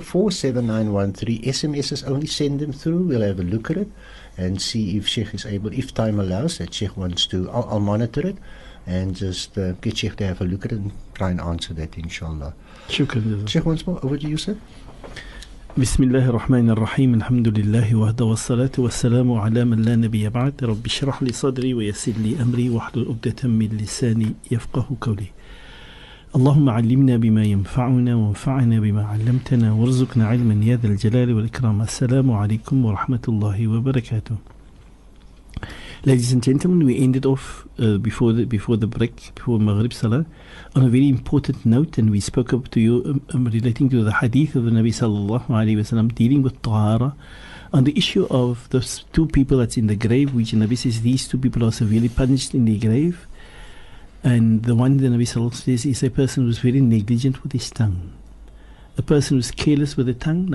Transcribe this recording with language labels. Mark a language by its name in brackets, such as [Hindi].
[English] 47913. SMSs only, send them through. We'll have a look at it and see if Sheikh is able, if time allows, that Sheikh wants to. I'll monitor it. and just get Sheikh to have a look at it and try and answer that, inshallah. Shukran. Sheikh, once more, over to you, sir. [Arabic] بسم الله الرحمن الرحيم الحمد لله وحده والصلاة والسلام على من لا نبي بعد رب اشرح لي صدري ويسر لي أمري واحلل عقدة من لساني يفقه قولي اللهم علمنا بما ينفعنا وانفعنا بما علمتنا وارزقنا علما يا ذا الجلال والإكرام السلام عليكم ورحمة الله وبركاته. [English] Ladies and gentlemen, we ended off before the break, before Maghrib Salah, on a very important note, and we spoke up to you relating to the hadith of the Nabi sallallahu alayhi wa sallam dealing with Tahara, on the issue of those two people that's in the grave, which the Nabi says these two people are severely punished in the grave, and the one the Nabi sallallahu alayhi wa sallam says is a person who's very negligent with his tongue, a person who's careless with the tongue.